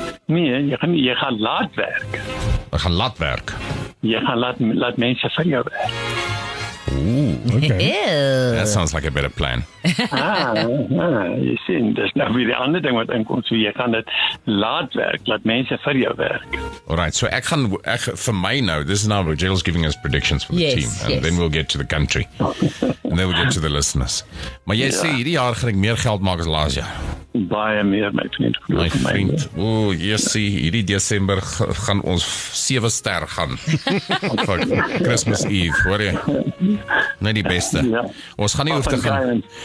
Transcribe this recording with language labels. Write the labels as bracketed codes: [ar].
[af] Nee, jy gaan laat werk. Ek gaan laat werk. Jy gaan laat mense van jou werk. [en] Ooh, okay. That sounds like a better plan. [af] Jy sien, dis nou weer die ander ding wat inkom, so jy gaan dit laat werk, laat mense vir jou werk. [en] Alright, so [af] ek gaan, vir my nou, [en] this is now where Jill's giving us predictions for the team, and yes. Then we'll get to the country, and then we'll get to the listeners. [af] Maar jy sê, hierdie jaar gaan ek meer geld maak as laas jaar. Baie meer, my vriend. My vriend, hierdie December gaan ons 7 ster gaan. Fuck, Christmas Eve, hoor jy? Nee, die beste. Ja. Ons gaan nie hoef te gaan.